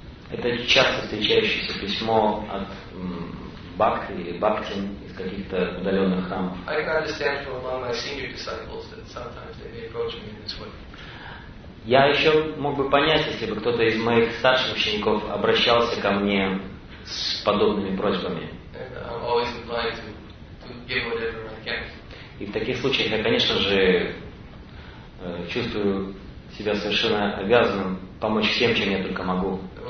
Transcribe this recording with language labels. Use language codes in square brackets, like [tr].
[ru] Это часто встречающееся письмо от бхакти или бхактин из каких-то удаленных храмов. [en] I can understand from among my senior disciples that sometimes they may approach me in this way. [ru] Я еще мог бы понять, если бы кто-то из моих старших учеников обращался ко мне с подобными просьбами. [en] And I'm always inclined to give whatever I can. [ru] И в таких случаях я, конечно же, чувствую себя совершенно обязанным помочь всем, чем я только могу.